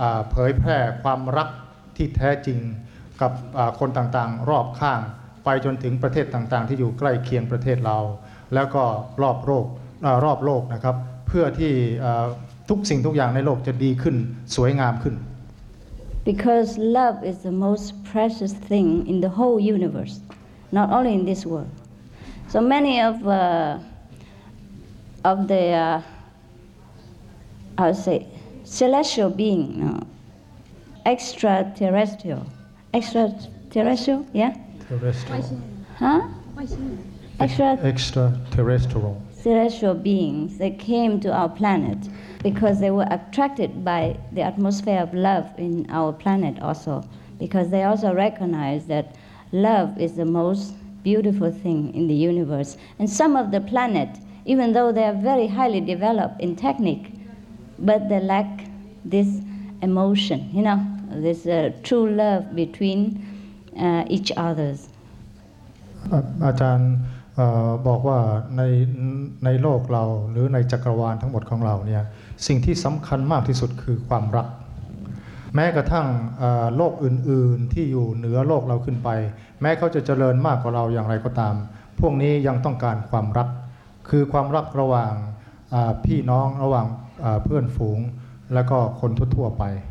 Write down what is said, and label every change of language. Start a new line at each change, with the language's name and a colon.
Thai: เผยแพร่ความรักที่แท้จริงกับคนต่างๆรอบข้างไปจนถึงประเทศต่างๆที่อยู่ใกล้เคียงประเทศเราแล้วก็รอบโลกรอบโลกนะครับเพื่อที่ทุกสิ่งทุกอย่างในโลกจะดีขึ้นสวยงามขึ้น
English: Because love is the most precious thing in the whole universe not only in this world so many of the how to say celestial being extraterrestrial beings that came to our planet because they were attracted by the atmosphere of love in our planet also because they also recognize that love is the most beautiful thing in the universe and some of the planet even though they are very highly developed in technique but they lack this emotion you know this true love between each others
Thai: อาจารย์บอกว่าในโลกเราหรือในจักรวาลทั้งหมดของเราเนี่ยสิ่งที่สำคัญมากที่สุดคือความรักแม้กระทั่งโลกอื่นๆที่อยู่เหนือโลกเราขึ้นไปแม้เขาจะเจริญมากกว่าเราอย่างไรก็ตามพวกนี้ยังต้องการความรักคือความรักระหว่างพี่น้องระหว่างเพื่อนฝูงแล้วก็คนทั่วๆไป